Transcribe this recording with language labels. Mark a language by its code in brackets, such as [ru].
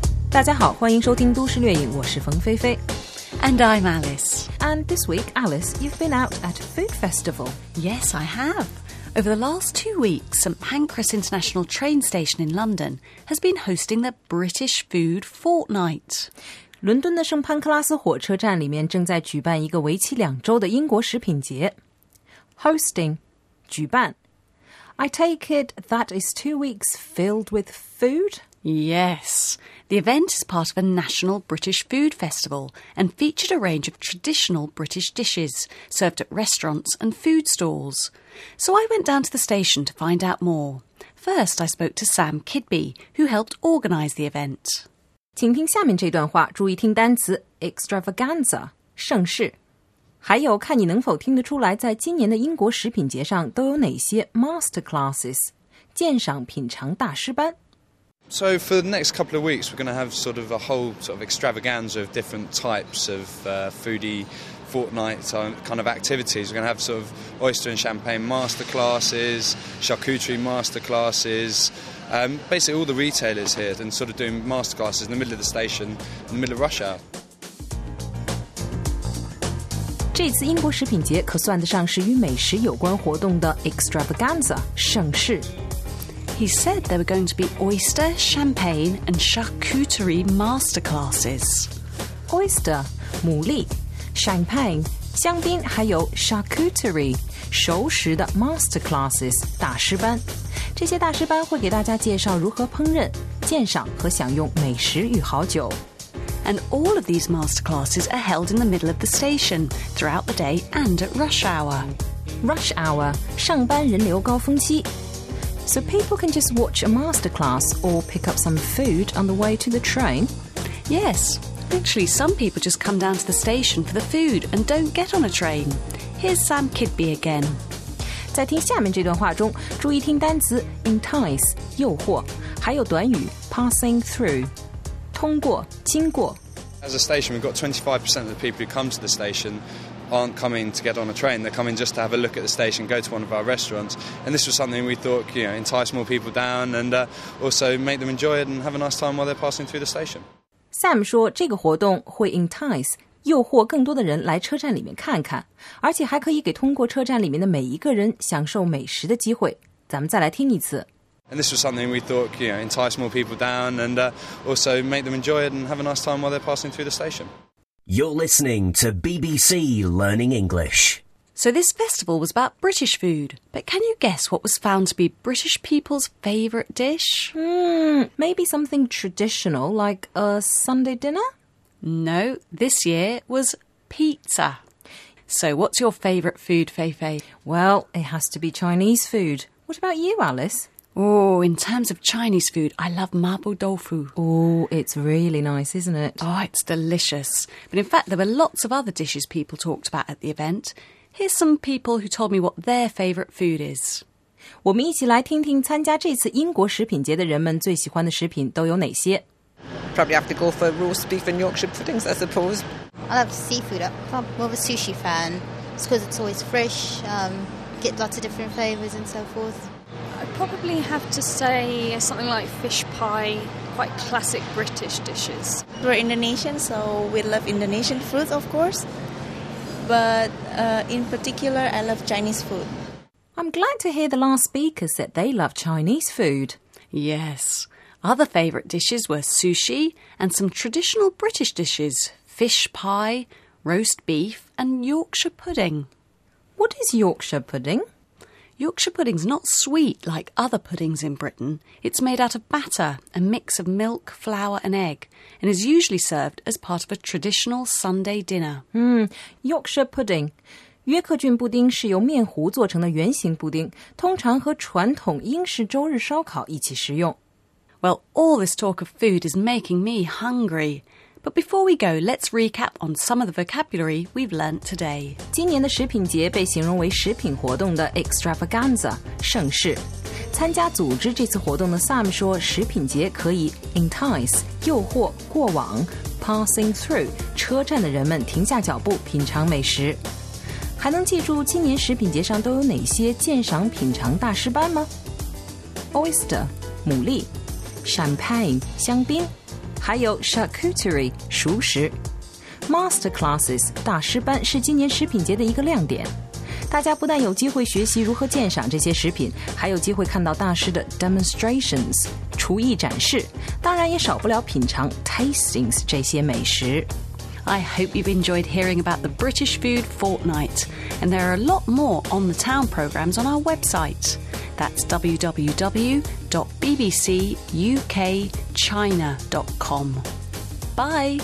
[zh] 大家好，欢迎收听都市略影，我是冯菲菲。 [en] And I'm Alice. And this week, Alice, you've been out at a food festival. Yes, I have. Over the last 2 weeks, St Pancras International Train Station in London has been hosting the British Food Fortnight. [zh] 伦敦的圣潘克拉斯火车站里面正在举办一个为期两周的英国食品节。 Hosting, 举办。 [en] I take it that is 2 weeks filled with food? Yes. The event is part of a national British food festival and featured a range of traditional British dishes served at restaurants and food stalls. So I went down to the station to find out more. First, I spoke to Sam Kidby, who helped organise the event. [zh] 请听下面这段话，注意听单词 extravaganza, 盛世。还有看你能否听得出来在今年的英国食品节上都有哪些 masterclasses, 鉴赏品尝大师班。 [en] So for the next couple of weeks, we're going to have sort of a whole sort of extravaganza of different types of foodie fortnight kind of activities. We're going to have sort of oyster and champagne masterclasses, charcuterie masterclassesbasically all the retailers here and sort of doing masterclasses in the middle of the station, in the middle of rush hour. 这次英国食品节可算得上是与美食有关活动的 extravaganza, 盛世。 He said there were going to be oyster, champagne and charcuterie masterclasses. [zh] Oyster, 牡蛎, champagne, 香槟还有 charcuterie, 熟食的 masterclasses, 大师班。这些大师班会给大家介绍如何烹饪、鉴赏和享用美食与好酒。 [en] And all of these masterclasses are held in the middle of the station, throughout the day and at rush hour. [zh] Rush hour, 上班人流高峰期。 [en] So people can just watch a masterclass or pick up some food on the way to the train? Yes. Actually, some people just come down to the station for the food and don't get on a train. Here's Sam Kidby again. [zh] 在听下面这段话中，注意听单词 entice, 诱惑，还有短语 passing through, 通过，经过。 [en] As a station, we've got 25% of the people who come to the stationaren't coming to get on a train, they're coming just to have a look at the station, go to one of our restaurants, and this was something we thought, you know, entice more people down andalso make them enjoy it and have a nice time while they're passing through the station. [zh] Sam 说这个活动会 entice, 诱惑更多的人来车站里面看看，而且还可以给通过车站里面的每一个人享受美食的机会。咱们再来听一次。 [en] And this was something we thought, you know, entice more people down andalso make them enjoy it and have a nice time while they're passing through the station. You're listening to BBC Learning English. So this festival was about British food, but can you guess what was found to be British people's favourite dish? Maybe something traditional, like a Sunday dinner? No, this year was pizza. So what's your favourite food, Feifei? Well, it has to be Chinese food. What about you, Alice? Oh, in terms of Chinese food, I love mapo tofu. Oh, it's really nice, isn't it? Oh, it's delicious. But in fact, there were lots of other dishes people talked about at the event. Here's some people who told me what their favourite food is. [zh] 我们一起来听听参加这次英国食品节的人们最喜欢的食品都有哪些。 [en] Probably have to go for roast beef and Yorkshire puddings, I suppose. I love seafood. I'm more of a sushi fan. It's because it's always fresh, get lots of different flavours and so forth. I'd probably have to say something like fish pie, quite classic British dishes. We're Indonesian, so we love Indonesian food, of course. But in particular, I love Chinese food. I'm glad to hear the last speaker said they love Chinese food. Yes. Other favourite dishes were sushi and some traditional British dishes, fish pie, roast beef and Yorkshire pudding. What is Yorkshire pudding? Yorkshire pudding's not sweet like other puddings in Britain. It's made out of batter, a mix of milk, flour and egg, and is usually served as part of a traditional Sunday dinner. Yorkshire pudding. [zh] 约克郡布丁是由面糊做成的圆形布丁，通常和传统英式周日烧烤一起食用。 [en] Well, all this talk of food is making me hungry. But before we go, let's recap on some of the vocabulary we've learnt today. [zh] 今年的食品节被形容为食品活动的 extravaganza, 盛世。参加组织这次活动的 Sam 说，食品节可以 entice 诱惑过往 passing through 车站的人们停下脚步品尝美食。还能记住今年食品节上都有哪些鉴赏品尝大师班吗？ Oyster 牡蛎， Champagne 香槟，还有 Charcuterie 熟食。 Masterclasses 大师班是今年食品节的一个亮点，大家不但有机会学习如何鉴赏这些食品，还有机会看到大师的 demonstrations 厨艺展示，当然也少不了品尝 tastings 这些美食。 [en] I hope you've enjoyed hearing about the British Food Fortnight, and there are a lot more on the town programs on our website. That's www.bbcukchina.com. Bye